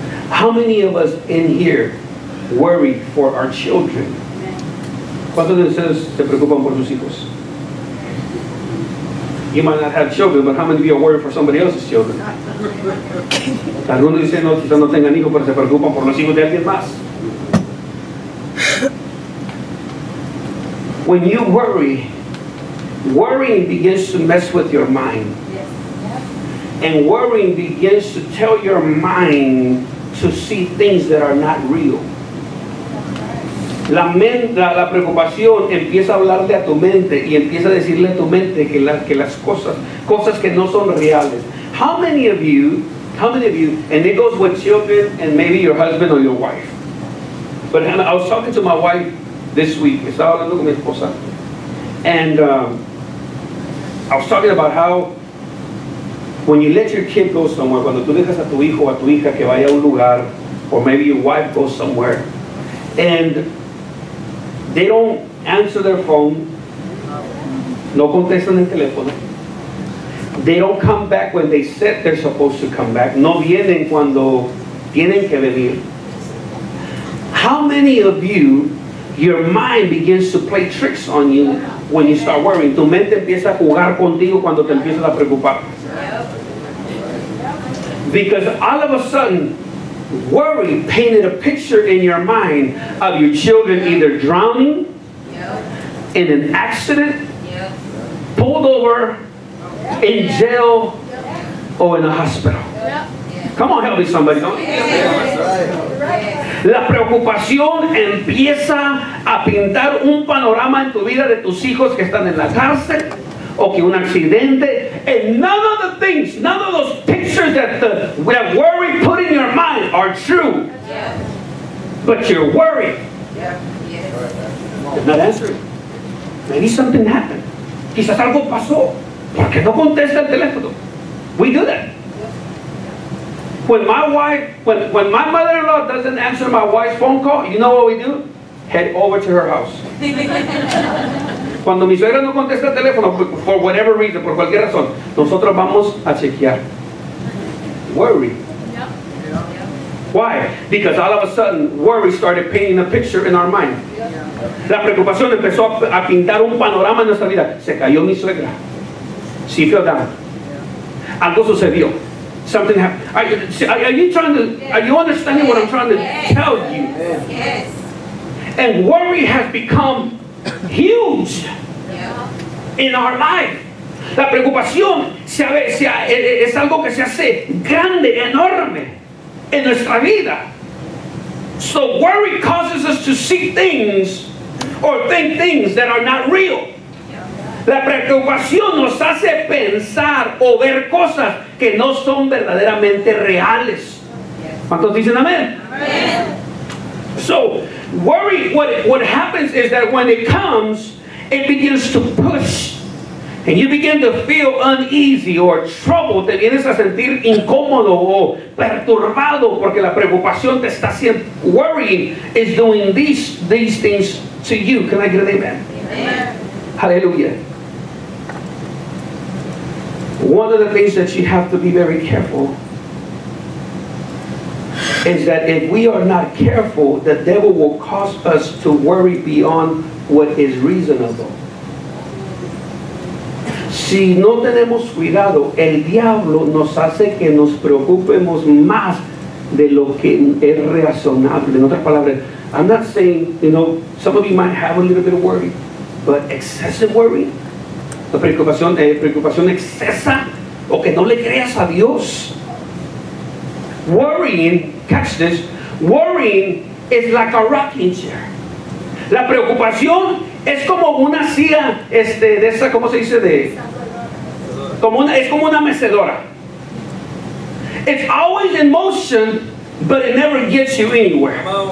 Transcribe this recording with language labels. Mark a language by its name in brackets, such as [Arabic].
[English] How many of us in here worry for our children? [Spanish] ¿Cuántos de ustedes se preocupan por sus hijos? [English] You might not have children, but how many of you are worried for somebody else's children? [Spanish] Algunos dicen, no, quizás no tengan hijos, pero se preocupan por los hijos de alguien más. [English] When you worry, worrying begins to mess with your mind. And worrying begins to tell your mind to see things that are not real. [Spanish] La preocupación empieza a hablarle a tu mente y empieza a decirle a tu mente que las cosas que no son reales. [English] How many of you, and it goes with children and maybe your husband or your wife. But I was talking to my wife this week. [Spanish] Estaba hablando con mi esposa. [English] And I was talking about how when you let your kid go somewhere, [Spanish] cuando tú dejas a tu hijo o a tu hija que vaya a un lugar, [English] or maybe your wife goes somewhere, and they don't answer their phone. [Spanish] No contestan el teléfono. [English] They don't come back when they said they're supposed to come back. [Spanish] No vienen cuando tienen que venir. [English] How many of you, your mind begins to play tricks on you when you start worrying? [Spanish] Tu mente empieza a jugar contigo cuando te empiezas a preocupar. [English] Because all of a sudden, worry painted a picture in your mind of your children either drowning, yep, in an accident, yep, pulled over, yep, in jail, yep, or in a hospital. Yep. Come on, help me, somebody. Yes. [Spanish] La preocupación empieza a pintar un panorama en tu vida de tus hijos que están en la cárcel o que un accidente. [English] And none of the things, none of those pictures sure that the that worry put in your mind are true. Yes. But you're worried. Yeah. Yes. They're not answering. Maybe something happened. [Spanish] Quizás algo pasó. ¿Por qué no contesta el teléfono? [English] We do that. When my wife, when my mother-in-law doesn't answer my wife's phone call, you know what we do? Head over to her house. [Spanish] Cuando mi suegra no contesta el teléfono, [English] for whatever reason, [Spanish] por cualquier razón, nosotros vamos a chequear. [English] Worry. Yeah. Why? Because all of a sudden, worry started painting a picture in our mind. Yeah. [Spanish] La preocupación empezó a pintar un panorama en nuestra vida. Se cayó mi suegra. [English] She fell down. Yeah. [Spanish] Algo sucedió. [English] Something happened. Are you understanding what I'm trying to tell you? Yes. And worry has become huge in our life. [Spanish] La preocupación es algo que se hace grande, enorme en nuestra vida. [English] So worry causes us to see things or think things that are not real. [Spanish] La preocupación nos hace pensar o ver cosas que no son verdaderamente reales. ¿Cuántos dicen amén? [English] So worry, what happens is that when it comes, it begins to push. And you begin to feel uneasy or troubled. [Spanish] Te vienes a sentir incómodo o perturbado porque la preocupación te está haciendo. [English] Worrying is doing these things to you. Can I get an amen? Amen. Hallelujah. One of the things that you have to be very careful is that if we are not careful, the devil will cause us to worry beyond what is reasonable. [Spanish] Si no tenemos cuidado, el diablo nos hace que nos preocupemos más de lo que es razonable. En otras palabras, [English] I'm not saying, you know, some of you might have a little bit of worry, but excessive worry, [Spanish] la preocupación, preocupación excesa, o que no le creas a Dios. [English] Worrying, catch this, worrying is like a rocking chair. [Spanish] La preocupación es como una silla, de esa, ¿cómo se dice? Es como una mecedora. [English] It's always in motion, but it never gets you anywhere.